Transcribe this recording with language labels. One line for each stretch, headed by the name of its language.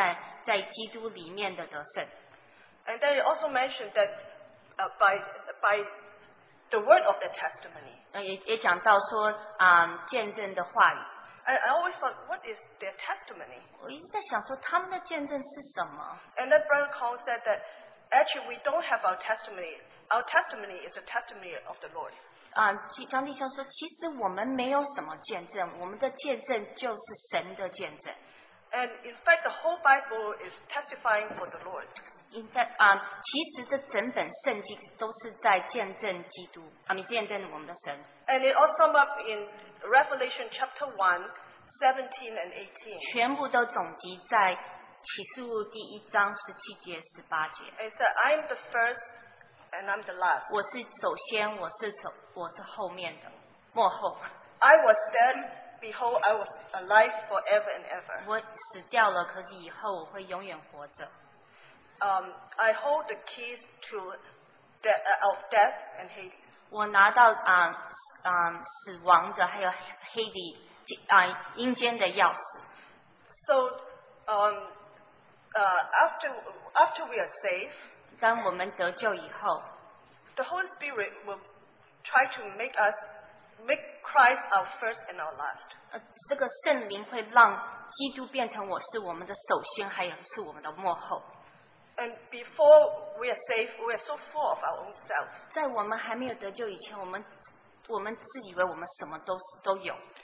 Chinese: 一个得胜者，他可以得胜，胜过这个撒旦在基督里面的得胜。
English: And then it also mentioned that by the word of the testimony.
Chinese: 也讲到说，见证的话语。
English: I always thought, what is their testimony?
Chinese: 我一直在想说，他们的见证是什么？
English: And then Brother Kong said that actually we don't have our testimony. Our testimony is the testimony of the Lord.
Chinese: 张弟兄说，其实我们没有什么见证，我们的见证就是神的见证。
English: And in fact, the whole Bible is testifying for the Lord. In fact,
Chinese: 其实这整本圣经都是在见证基督，他们见证我们的神。
English: And it all sum up in Revelation chapter 1, 17 and 18.
Chinese: 全部都总集在启示录第一章十七节、十八节。
English: It said, I am the first and I'm the last.
Chinese: 我是首先，我是后面的，末后。
English: I was dead, behold, I was alive forever and ever.
Chinese: 我死掉了，可是以后我会永远活着。
English: I hold the keys to of death and Hades.
Chinese: 我拿到死亡的还有 Hades 阴间的钥匙。
English: So after we are saved,
Chinese: 当我们得救以后
English: ，the Holy Spirit will try to make Christ our first and our last.
Chinese: 这个圣灵会让基督变成我是我们的首先，还有是我们的末后。
English: And before we are saved, we are so full of our own self.
Chinese: 在我们还没有得救以前，我们自以为我们什么都有。